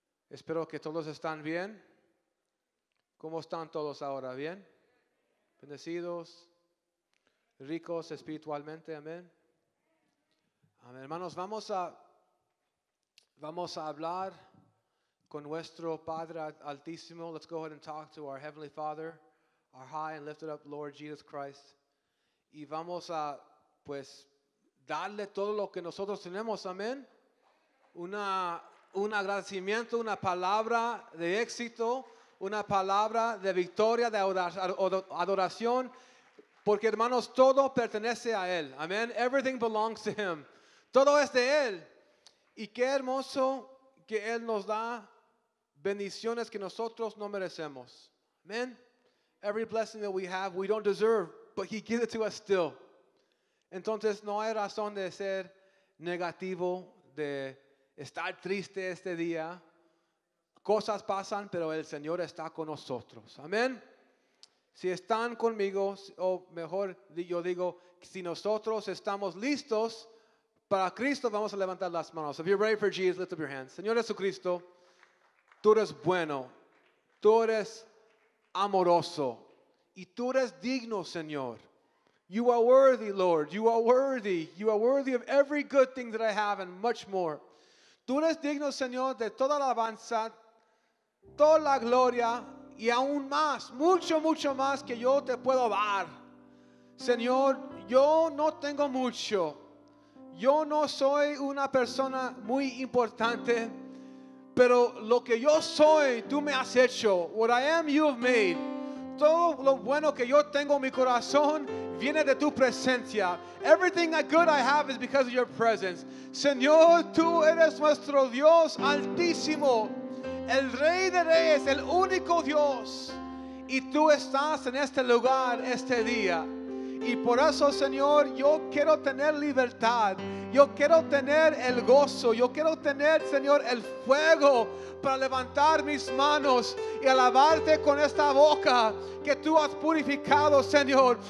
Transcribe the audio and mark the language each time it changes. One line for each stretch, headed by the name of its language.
Spanish: Espero que todos están bien. ¿Cómo están todos ahora? ¿Bien? Bendecidos, ricos espiritualmente, amén. Amén. Hermanos, vamos a hablar con nuestro Padre Altísimo.
English: Let's go ahead and talk to our Heavenly Father, our high and lifted up Lord Jesus Christ.
Spanish: Y vamos a, pues, darle todo lo que nosotros tenemos, amén. Un agradecimiento, una palabra de éxito, una palabra de victoria, de adoración, porque hermanos, todo pertenece a Él. Amén.
English: Everything belongs to Him.
Spanish: Todo es de Él. Y qué hermoso que Él nos da bendiciones que nosotros no merecemos. Amén.
English: Every blessing that we have, we don't deserve, but He gives it to us still.
Spanish: Entonces, no hay razón de ser negativo, de estar triste este día. Cosas pasan, pero el Señor está con nosotros. Amén. Si están conmigo, o mejor yo digo, si nosotros estamos listos para Cristo, vamos a levantar las manos.
English: If you're ready for Jesus, lift up your hands.
Spanish: Señor Jesucristo, tú eres bueno. Tú eres amoroso. Y tú eres digno, Señor.
English: You are worthy, Lord. You are worthy. You are worthy of every good thing that I have and much more.
Spanish: Tú eres digno, Señor, de toda alabanza, toda la gloria y aún más, mucho, mucho más que yo te puedo dar. Señor, yo no tengo mucho. Yo no soy una persona muy importante, pero lo que yo soy, tú me has hecho.
English: What I am, you have made.
Spanish: Todo lo bueno que yo tengo en mi corazón viene de tu presencia.
English: Everything good I have is because of your presence.
Spanish: Señor, tú eres nuestro Dios altísimo, el Rey de Reyes, el único Dios. Y tú estás en este lugar este día. Y por eso, Señor, yo quiero tener libertad. Yo quiero tener el gozo. Yo quiero tener, Señor, el fuego para levantar mis manos y alabarte con esta boca que tú has purificado, Señor.